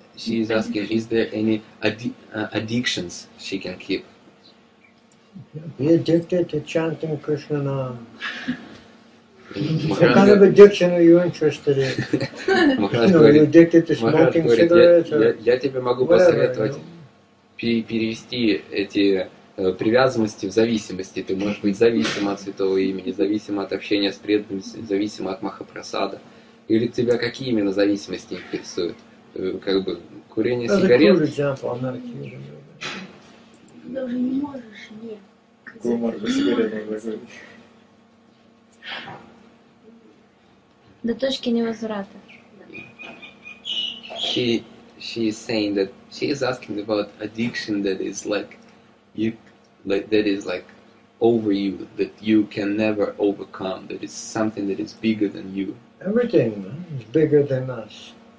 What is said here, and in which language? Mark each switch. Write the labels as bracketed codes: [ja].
[en] She's asking, is there any addictions she can keep? Be addicted to chanting Krishna Nam. What kind of addiction are you interested in? Are you addicted to smoking cigarettes? [ru] Я тебе могу посоветовать перевести эти привязанности в зависимости. Ты можешь быть зависим от святого имени, зависим от общения с преданными, зависим от Махапрасада. Или тебя какие именно зависимости интересуют? Как бы курение сигарет. Даже курить, например, она не может. Ты даже не можешь не. Какую марку сигарет надо говорить? До точки невозврата. [en] She is saying that she is asking about addiction that is like you like that is like over you that you can never overcome that is something that is bigger than you. Everything is bigger than us.